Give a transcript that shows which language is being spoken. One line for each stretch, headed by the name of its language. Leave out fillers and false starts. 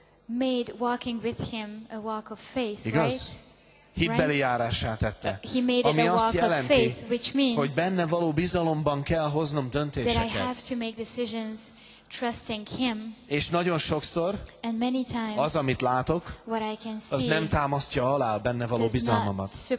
English: Made walking with him a walk of faith,
Hungarian: igaz?
English: Right?
Hungarian: Hitbeli járássá tette.
English: He made
Hungarian: ami
English: a walk
Hungarian: azt jelenti,
English: of faith, which means
Hungarian: hogy benne való bizalomban kell hoznom döntéseket.
English: That I have to make decisions trusting him.
Hungarian: És nagyon sokszor
English: and many times,
Hungarian: az, amit látok,
English: what I can see,
Hungarian: az nem támasztja alá a benne való bizalmamat.